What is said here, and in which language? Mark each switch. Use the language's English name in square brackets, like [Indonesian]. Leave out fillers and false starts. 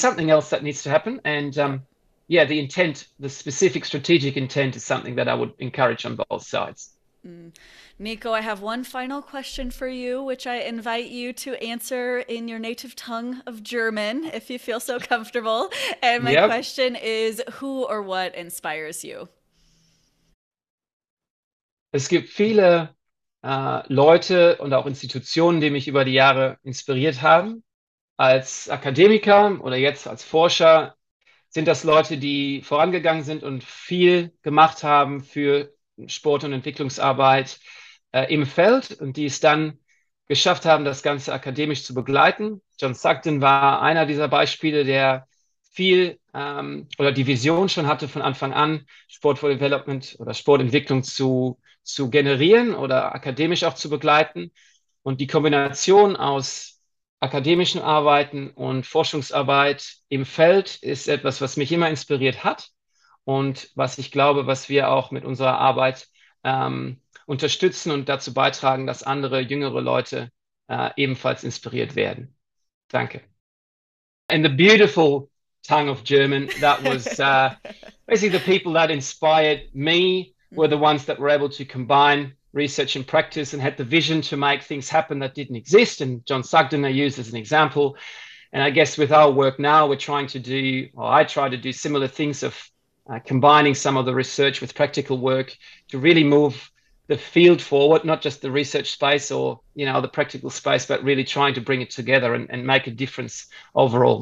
[English] something else that needs to happen. And the intent, the specific strategic intent, is something that I would encourage on both sides. Nico, I have one final question for you, which I invite you to answer in your native tongue of German, if you feel so comfortable. And my question is, who or what inspires you? [German] Es gibt viele Leute und auch Institutionen, die mich über die Jahre inspiriert haben. Als Akademiker oder jetzt als Forscher sind das Leute, die vorangegangen sind und viel gemacht haben für Sport- und Entwicklungsarbeit im Feld, und die es dann geschafft haben, das Ganze akademisch zu begleiten. John Sugden war einer dieser Beispiele, der viel oder die Vision schon hatte, von Anfang an Sport for Development oder Sportentwicklung zu generieren oder akademisch auch zu begleiten. Und die Kombination aus akademischen Arbeiten und Forschungsarbeit im Feld ist etwas, was mich immer inspiriert hat und was ich glaube, was wir auch mit unserer Arbeit unterstützen und dazu beitragen, dass andere jüngere Leute ebenfalls inspiriert werden. Danke. [English] And the beautiful tongue of German, that was basically the people that inspired me were the ones that were able to combine research and practice and had the vision to make things happen that didn't exist. And John Sugden I used as an example. And I guess with our work now, we're trying to do, or I try to do similar things of combining some of the research with practical work to really move the field forward, not just the research space or the practical space, but really trying to bring it together and make a difference overall.